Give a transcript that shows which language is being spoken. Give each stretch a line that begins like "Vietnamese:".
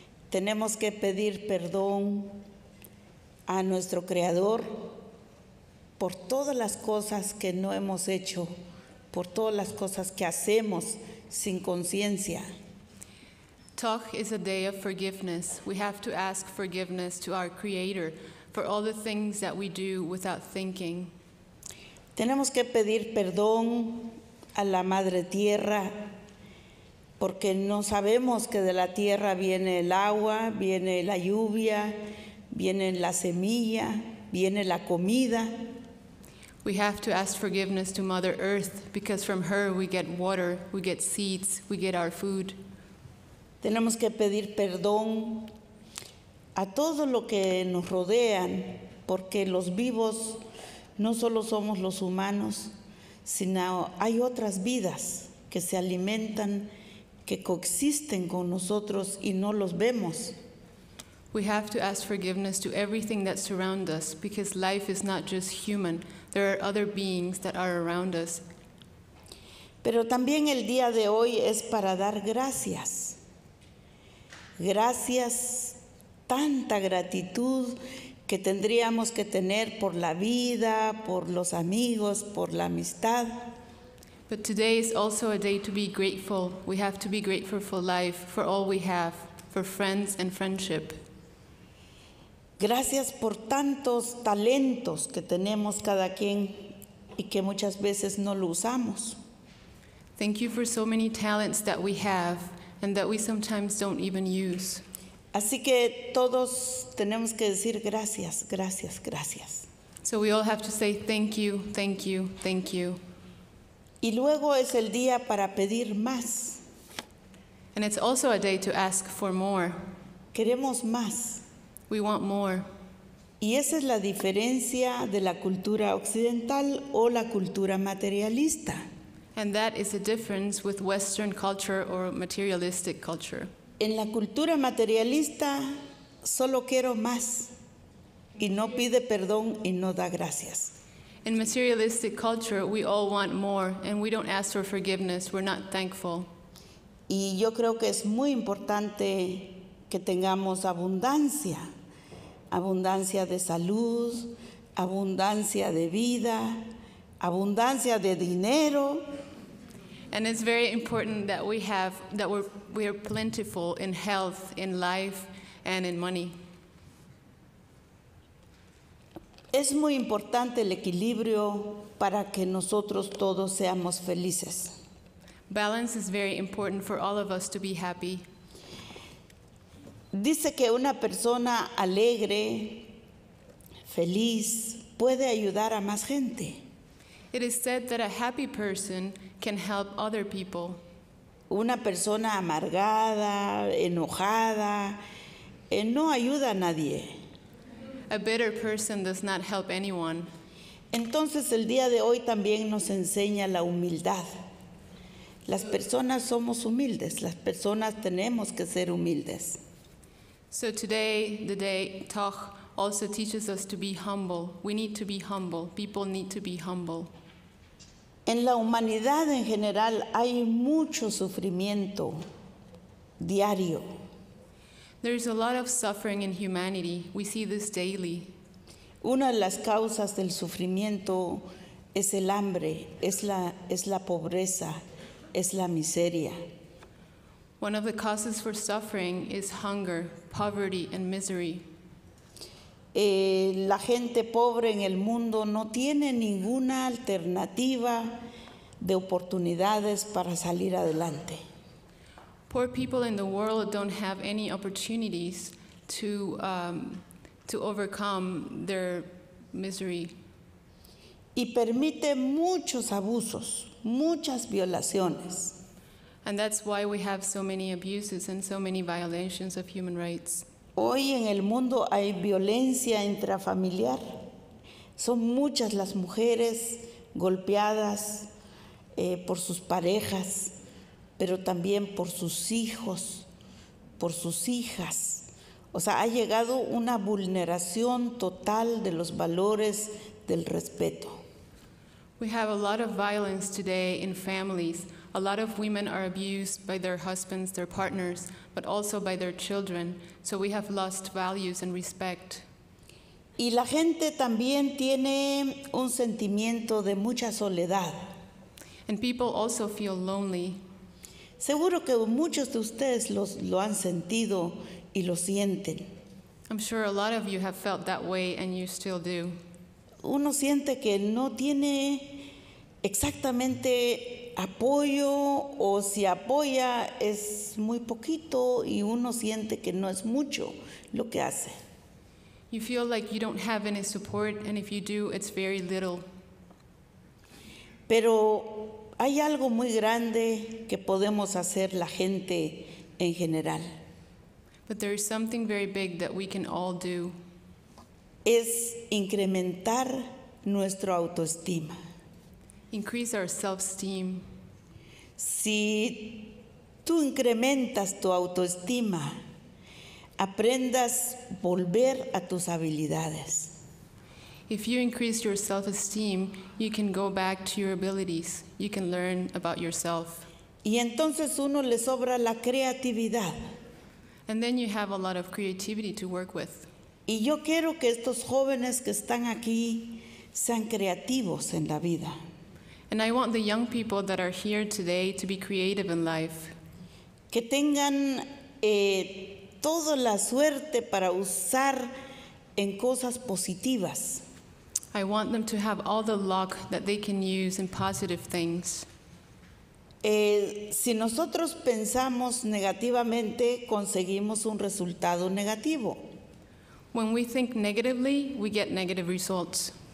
Spanish: Tenemos que pedir perdón a nuestro creador por todas las cosas que no hemos hecho, por todas las cosas que hacemos sin conciencia.
English: Toj is a day of forgiveness. We have to ask forgiveness to our creator for all the things that we do without thinking.
Spanish: Tenemos que pedir perdón a la madre tierra, porque no sabemos que de la tierra viene el agua, viene la lluvia, viene la semilla, viene la comida.
English: We have to ask forgiveness to Mother Earth, because from her we get water, we get seeds, we get our food.
Spanish: Tenemos que pedir perdón a todo lo que nos rodean, porque los vivos no solo somos los humanos, sino hay otras vidas que se alimentan, que coexisten con nosotros y no los vemos.
English: We have to ask forgiveness to everything that surrounds us, because life is not just human. There are other beings that are around us.
Spanish: Pero también el día de hoy es para dar gracias. Gracias, tanta gratitud que tendríamos que tener por la vida, por los amigos, por la amistad.
English: But today is also a day to be grateful. We have to be grateful for life, for all we have, for friends and friendship.
Spanish: Gracias por tantos talentos que tenemos cada quien y que muchas veces no lo usamos.
English: Thank you for so many talents that we have and that we sometimes don't even use.
Spanish: Así que todos tenemos que decir gracias, gracias, gracias.
English: So we all have to say thank you, thank you, thank you.
Spanish: Y luego es el día para pedir más.
English: And it's also a day to ask for more.
Spanish: Queremos más.
English: We want more.
Spanish: Y esa es la diferencia de la cultura occidental o la cultura materialista.
English: And that is the difference with Western culture or materialistic culture.
Spanish: En la cultura materialista, solo quiero más. Y no pide perdón y no da gracias.
English: In materialistic culture, we all want more, and we don't ask for forgiveness. We're not thankful.
Spanish: Y yo creo que es muy importante que tengamos abundancia. Abundancia de salud, abundancia de vida, abundancia de dinero.
English: And it's very important that we have, that we are plentiful in health, in life, and in money.
Spanish: Es muy importante el equilibrio para que nosotros todos seamos felices.
English: Balance is very important for all of us to be happy.
Spanish: Dice que una persona alegre, feliz, puede ayudar a más gente.
English: It is said that a happy person can help other people.
Spanish: Una persona amargada, enojada, no ayuda a nadie.
English: A bitter person does not help anyone.
Spanish: Entonces, el día de hoy también nos enseña la humildad. Las personas somos humildes. Las personas tenemos que ser humildes.
English: So today, the day Toj also teaches us to be humble. We need to be humble. People need to be humble.
Spanish: En la humanidad en general hay mucho sufrimiento diario.
English: There is a lot of suffering in humanity. We see this daily.
Spanish: Una de las causas del sufrimiento es el hambre, es la pobreza, es la miseria.
English: One of the causes for suffering is hunger, poverty, and misery.
Spanish: La gente pobre en el mundo no tiene ninguna alternativa de oportunidades para salir adelante.
English: Poor people in the world don't have any opportunities to overcome their misery.
Spanish: Y permite muchos abusos, muchas violaciones.
English: And that's why we have so many abuses and so many violations of human rights.
Spanish: Hoy en el mundo hay violencia intrafamiliar. Son muchas las mujeres golpeadas por sus parejas, pero también por sus hijos, por sus hijas. O sea, ha llegado una vulneración total de los valores del respeto.
English: We have a lot of violence today in families. A lot of women are abused by their husbands, their partners, but also by their children. So we have lost values and respect.
Spanish: Y la gente también tiene un sentimiento de mucha soledad.
English: And people also feel lonely.
Spanish: Seguro que muchos de ustedes lo han sentido y lo sienten.
English: I'm sure a lot of you have felt that way and you still do.
Spanish: Uno siente que no tiene exactamente apoyo, o si apoya es muy poquito y uno siente que no es mucho lo que hace.
English: You feel like you don't have any support, and if you do, it's very little.
Spanish: Pero hay algo muy grande que podemos hacer la gente en general.
English: But there is something very big that we can all do.
Spanish: Es incrementar nuestra autoestima.
English: Increase our self-esteem.
Spanish: Si tú incrementas tu autoestima, aprendas volver a tus habilidades.
English: If you increase your self-esteem, you can go back to your abilities. You can learn about yourself.
Spanish: Y entonces uno le sobra la creatividad.
English: And then you have a lot of creativity to work with.
Spanish: Y yo quiero que estos jóvenes que están aquí sean creativos en la vida.
English: And I want the young people that are here today to be creative in life.
Spanish: Que tengan toda la suerte para usar en cosas positivas.
English: I want them to have all the luck that they can use in positive things.
Spanish: Si nosotros pensamos negativamente, conseguimos un resultado negativo.
English: When we think negatively, we get negative results.